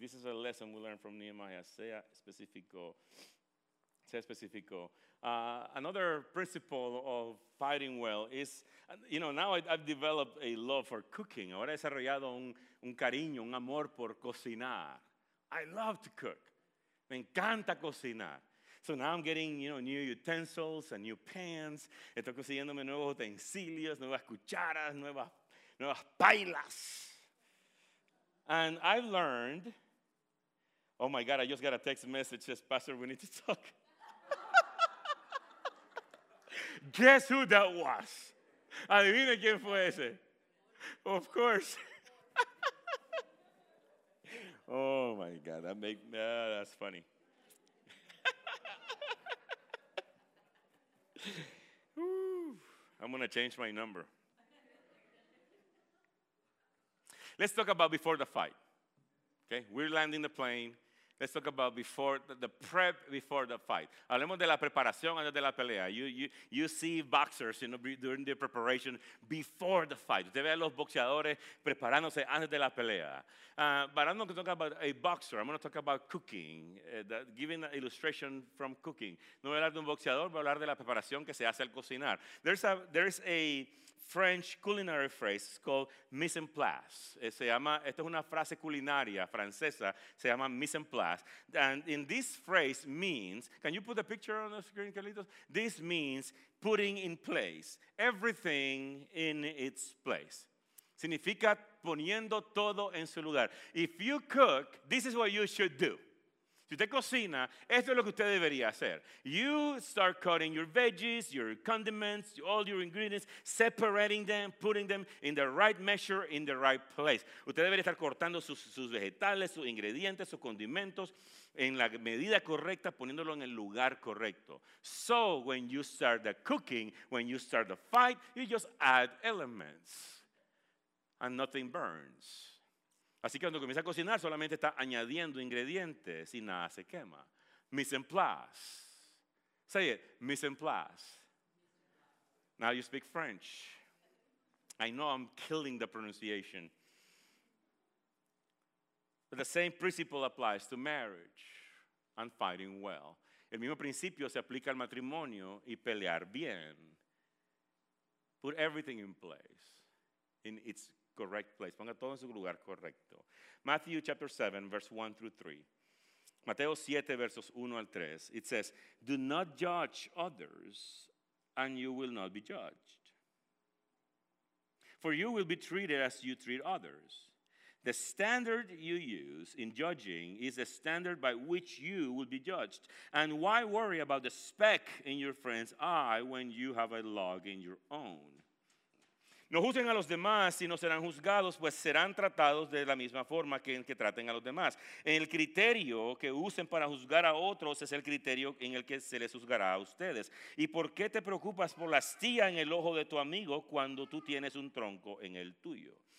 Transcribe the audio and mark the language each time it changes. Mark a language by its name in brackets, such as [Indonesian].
[English] This is a lesson we learned from Nehemiah. [Spanish] Sea específico. Sea específico. [English] Another principle of fighting well is, you know, now I've developed a love for cooking. [Spanish] Ahora he desarrollado un cariño, un amor por cocinar. [English] I love to cook. [Spanish] Me encanta cocinar. [English] So now I'm getting, you know, new utensils and new pans. [Spanish] Estoy consiguiéndome nuevos utensilios, nuevas cucharas, nuevas pailas. [English] And I've learned, oh my God, I just got a text message that says, Pastor, we need to talk. Guess who that was? [Spanish] Adivine quién fue ese. [English] Of course. Oh my God, that's funny. I'm going to change my number. Let's talk about before the fight. Okay, we're landing the plane. Let's talk about the prep before the fight. [Spanish] Hablemos de la preparación antes de la pelea. [English] You see boxers, you know, during the preparation before the fight. [Spanish] Usted ve a los boxeadores preparándose antes de la pelea. [English] But I'm not going to talk about a boxer. I'm going to talk about cooking, giving an illustration from cooking. [Spanish] No voy a hablar de un boxeador, voy a hablar de la preparación que se hace al cocinar. [English] There's a French culinary phrase called mise en place. [Spanish] Se llama, esto es una frase culinaria francesa, se llama mise en place. [English] And in this phrase means, can you put the picture on the screen, Carlitos? This means putting in place, everything in its place. [Spanish] Significa poniendo todo en su lugar. [English] If you cook, this is what you should do. [Spanish] Si usted cocina, esto es lo que usted debería hacer. [English] You start cutting your veggies, your condiments, all your ingredients, separating them, putting them in the right measure, in the right place. [Spanish] Usted debería estar cortando sus vegetales, sus ingredientes, sus condimentos en la medida correcta, poniéndolo en el lugar correcto. [English] So when you start the cooking, when you start the fight, you just add elements and nothing burns. [Spanish] Así que cuando comienza a cocinar, solamente está añadiendo ingredientes y nada se quema. [English] Mise en place. Say it, mise en place. Now you speak French. I know I'm killing the pronunciation. But the same principle applies to marriage and fighting well. [Spanish] El mismo principio se aplica al matrimonio y pelear bien. [English] Put everything in place, in its correct place. [Spanish] Ponga todo en su lugar correcto. [English] Matthew chapter 7, verse 1 through 3. [Spanish] Mateo 7, versos 1 al 3. [English] It says, do not judge others, and you will not be judged. for you will be treated as you treat others. The standard you use in judging is the standard by which you will be judged. And why worry about the speck in your friend's eye when you have a log in your own? [Spanish] No juzguen a los demás y no serán juzgados, pues serán tratados de la misma forma que en que traten a los demás. El criterio que usen para juzgar a otros es el criterio en el que se les juzgará a ustedes. ¿Y por qué te preocupas por la astilla en el ojo de tu amigo cuando tú tienes un tronco en el tuyo?